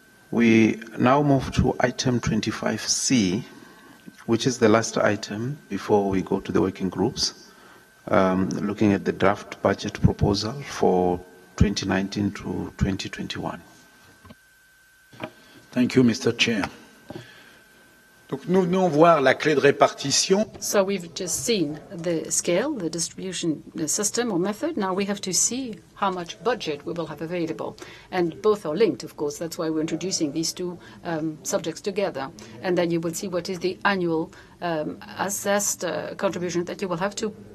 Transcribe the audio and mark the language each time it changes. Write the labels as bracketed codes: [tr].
[en] We now move to item 25C, which is the last item before we go to the working groups, looking at the draft budget proposal for 2019 to 2021. Thank you, Mr. Chair. [fr] Donc nous venons voir la clé de répartition. [en] So we've just seen the scale, the distribution system or method. Now we have to see how much budget we will have available. And both are linked, of course. That's why we're introducing these two subjects together. And then you will see what is the annual assessed contribution that you will have to